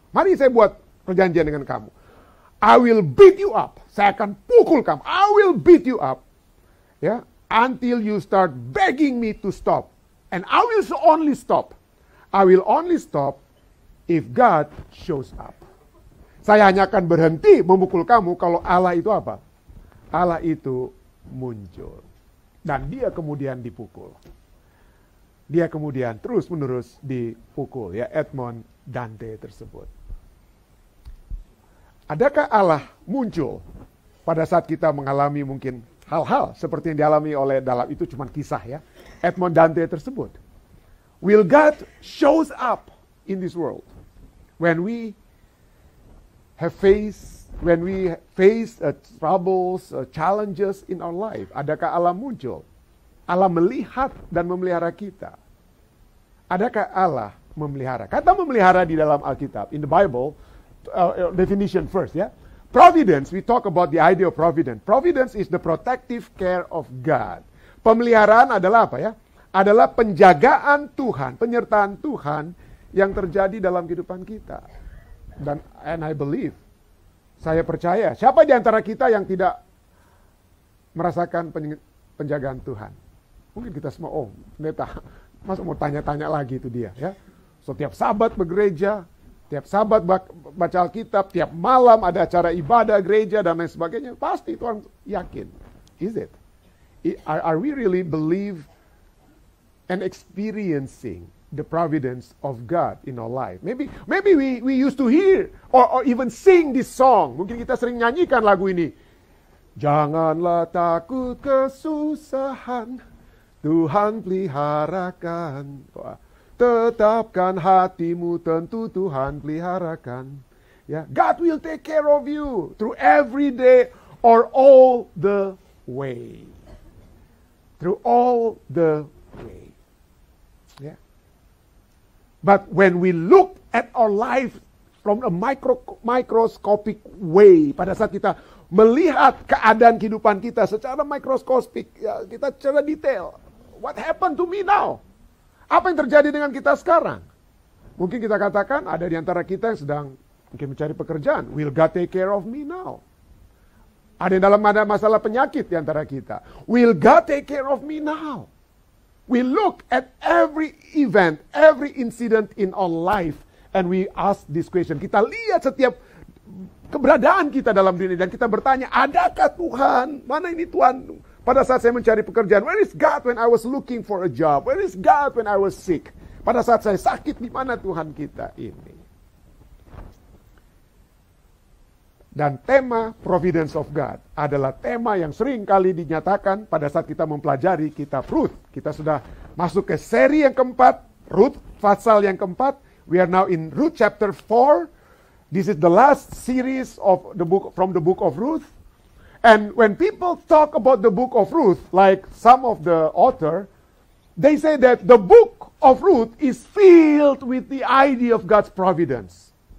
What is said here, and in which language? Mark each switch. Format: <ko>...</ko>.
<id>Mari saya buat perjanjian dengan kamu.</id> <en>I will beat you up.</en> <id>Saya akan pukul kamu.</id> <en>I will beat you up, yeah, until you start begging me to stop. And I will only stop. I will only stop if God shows up.</en> <id>Saya hanya akan berhenti memukul kamu kalau Allah itu apa? Allah itu muncul. Dan dia kemudian dipukul. Dia kemudian terus-menerus dipukul, ya, Edmond Dantès tersebut. Adakah Allah muncul pada saat kita mengalami mungkin hal-hal seperti yang dialami oleh dalam itu cuma kisah, ya, Edmond Dantès tersebut?</id> <en>Will God shows up in this world when we have faced, when we face troubles, challenges in our life?</en> <id>Adakah Allah muncul? Allah melihat dan memelihara kita. Adakah Allah memelihara? Kata memelihara di dalam Alkitab,</id> <en>in the Bible, definition first,</en> <id>ya.</id> <en>Providence, we talk about the idea of providence. Providence is the protective care of God.</en> <id>Pemeliharaan adalah apa ya? Adalah penjagaan Tuhan, penyertaan Tuhan yang terjadi dalam kehidupan kita. Dan</id> <en>and I believe,</en> <id>saya percaya, siapa di antara kita yang tidak merasakan penjagaan Tuhan? Mungkin kita semua, oh, neta, masa mau tanya-tanya lagi itu dia, ya. Setiap Sabat bergereja, tiap Sabat baca Alkitab, tiap malam ada acara ibadah gereja dan lain sebagainya, pasti Tuhan yakin.</id> <en>Is it? Are we really believe and experiencing the providence of God in our life? Maybe we used to hear or even sing this song.</en> <id>Mungkin kita sering nyanyikan lagu ini. Janganlah takut kesusahan, Tuhan peliharakan. Tetapkan hatimu, tentu Tuhan peliharakan.</id> <en>Ya, God will take care of you through every day or all the way. Through all the way. Yeah. But when we look at our life from a microscopic way,</en> <id>pada saat kita melihat keadaan kehidupan kita secara microscopic, ya, kita secara detail,</id> <en>what happened to me now?</en> <id>Apa yang terjadi dengan kita sekarang? Mungkin kita katakan ada di antara kita yang sedang mungkin mencari pekerjaan.</id> <en>Will God take care of me now?</en> <id>Ada yang dalam ada masalah penyakit di antara kita.</id> <en>Will God take care of me now? We look at every event, every incident in our life, and we ask this question.</en> <id>Kita lihat setiap keberadaan kita dalam dunia, dan kita bertanya, adakah Tuhan? Mana ini Tuhan? Pada saat saya mencari pekerjaan,</id> <en>where is God when I was looking for a job? Where is God when I was sick?</en> <id>Pada saat saya sakit, di mana Tuhan kita ini? Dan tema Providence of God adalah tema yang sering kali dinyatakan pada saat kita mempelajari kitab Ruth. Kita sudah masuk ke seri yang keempat, Ruth pasal yang keempat.</id> <en>We are now in Ruth chapter 4. This is the last series of the book from the book of Ruth. And when people talk about the book of Ruth, like some of the author, they say that the book of Ruth is filled with the idea of God's providence.</en>